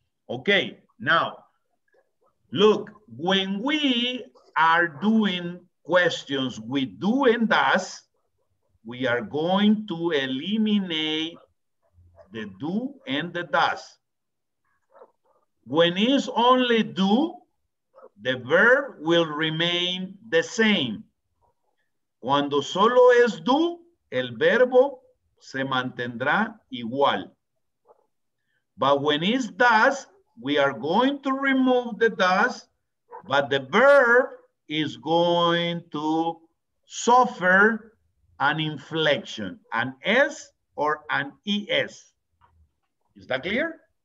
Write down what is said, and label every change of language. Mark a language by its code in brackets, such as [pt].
[en] Okay, now, look, when we are doing questions with do and does, we are going to eliminate the do and the does. When it's only do, the verb will remain the same. [es] Cuando solo es do, el verbo se mantendrá igual. [en] But when it's does, we are going to remove the does, but the verb is going to suffer an inflection, an S or an ES. Is that clear?